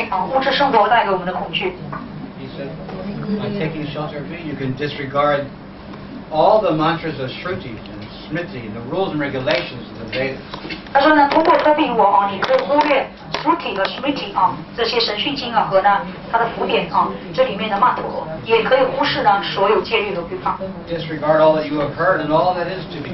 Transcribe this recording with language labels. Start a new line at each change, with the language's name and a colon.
Chinese: 那么可以免除所有恐惧,物质生活带给我们的恐惧。
English: He said, by taking shelter of me, you can disregard all the mantras of Shruti and Smriti, the rules and regulations of the Vedas.
Chinese: 他说呢,通过脱避于我,你可以忽略
English: Disregard all that you have heard and all that is to be